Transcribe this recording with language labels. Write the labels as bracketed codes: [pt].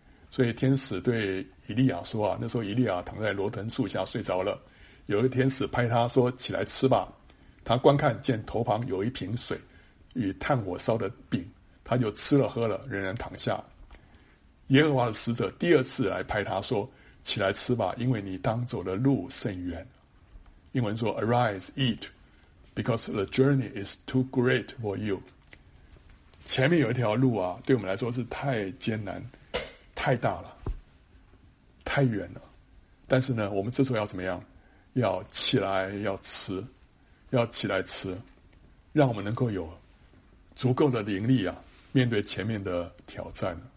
[zh] 所以天使对以利亚说啊，那时候以利亚躺在罗藤树下睡着了，有一个天使拍他说，起来吃吧。他观看见头旁有一瓶水与炭火烧的饼，他就吃了喝了，仍然躺下。耶和华的使者第二次来拍他说，起来吃吧，因为你当走的路甚远。英文说 [en] Arise, eat, because the journey is too great for you。 [zh] 前面有一条路啊，对我们来说是太艰难，太大了，太远了。但是呢，我们这时候要怎么样？要起来，要吃，要起来吃，让我们能够有足够的灵力啊，面对前面的挑战。